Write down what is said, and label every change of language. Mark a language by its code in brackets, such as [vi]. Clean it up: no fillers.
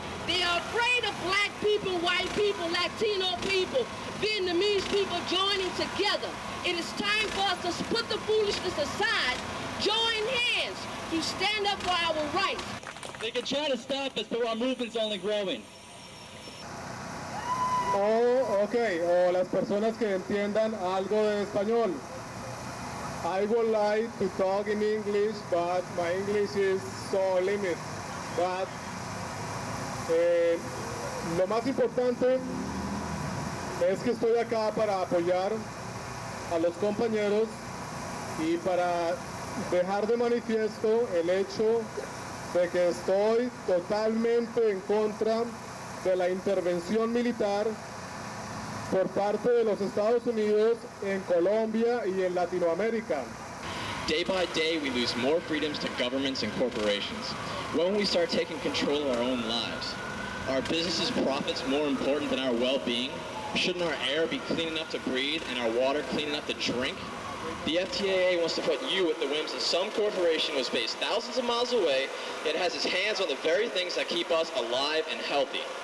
[en] They are afraid of black people, white people, Latino people, Vietnamese people joining together. It is time for us to put the foolishness aside, join hands to stand up for our rights. They can try to stop us, but our movement's only growing. Oh, okay. [es] Oh, las personas que entiendan algo de español. [en] I would like to talk in English, but my English is so limited. But [es] lo más importante es que estoy acá para apoyar a los compañeros y para dejar de manifiesto el hecho de que estoy totalmente en contra de la intervención militar por parte de los Estados Unidos en Colombia y en Latinoamérica. [en] Day by day we lose more freedoms to governments and corporations. When we start taking control of our own lives, our businesses' profits more important than our well-being? Shouldn't our air be clean enough to breathe and our water clean enough to drink? The FTAA wants to put you at the whims of some corporation who's based thousands of miles away, yet has its hands on the very things that keep us alive and healthy.